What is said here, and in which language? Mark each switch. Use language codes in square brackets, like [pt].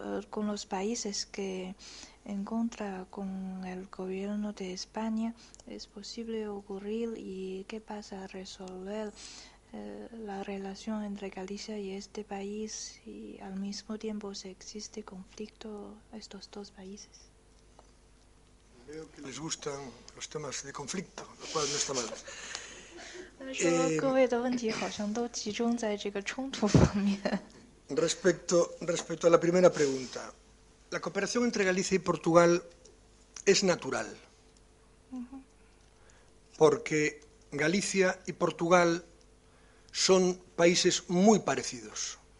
[es] con los países que en contra con el gobierno de España, ¿es posible ocurrir y qué pasa a resolver la relación entre Galicia y este país y al mismo tiempo si existe conflicto estos dos países? Veo que les gustan los temas de conflicto, lo cual no está mal. [zh] 各位的问题好像都集中在这个冲突方面。 [es] respecto a la primera pregunta, la cooperación entre Galicia y Portugal es natural, porque Galicia y Portugal son países muy parecidos.